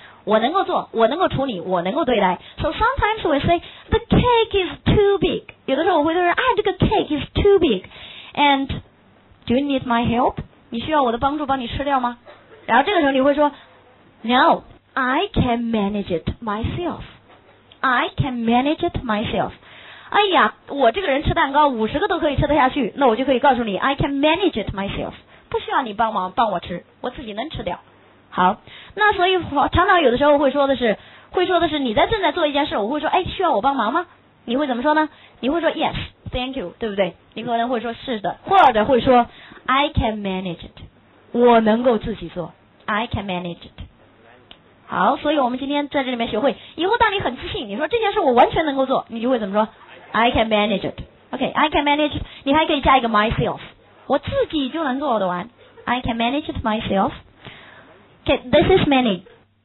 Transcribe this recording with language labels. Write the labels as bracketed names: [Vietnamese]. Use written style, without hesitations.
[Chinese] 我能够做，我能够处理，我能够对待。 [English] So sometimes we say the cake is too big. [Chinese] 有的时候我会说，哎，这个 [English] cake is too big. And do you need my help? [Chinese] 你需要我的帮助帮你吃掉吗？然后这个时候你会说 [English] No, I can manage it myself. I can manage it myself. [Chinese] 哎呀，我这个人吃蛋糕五十个都可以吃得下去，那我就可以告诉你 [English] I can manage it myself， [Chinese] 不需要你帮忙帮我吃，我自己能吃掉。好，那所以常常有的时候会说的是，会说的是你在正在做一件事，我会说哎，需要我帮忙吗？你会怎么说呢？你会说 [English] yes thank you， [Chinese] 对不对？你可能会说是的，或者会说 [English] I can manage it， [Chinese] 我能够自己做， I can manage it。好，所以我们今天在这里面学会，以后当你很自信，你说这件事我完全能够做，你就会怎么说？ [English] I can manage it。 OK， I can manage it， [Chinese] 你还可以加一个 [English] myself， [Chinese] 我自己就能做得完， [English] I can manage it myself。 OK， this is manage。